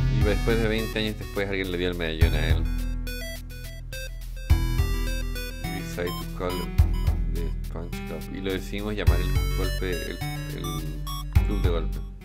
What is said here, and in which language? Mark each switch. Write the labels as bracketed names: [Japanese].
[Spanish] Después de 20 años después, alguien le dio el medallón a él. [English] Decide to call the punch club. [Spanish] Y lo decidimos llamar el golpe, el club de golpe.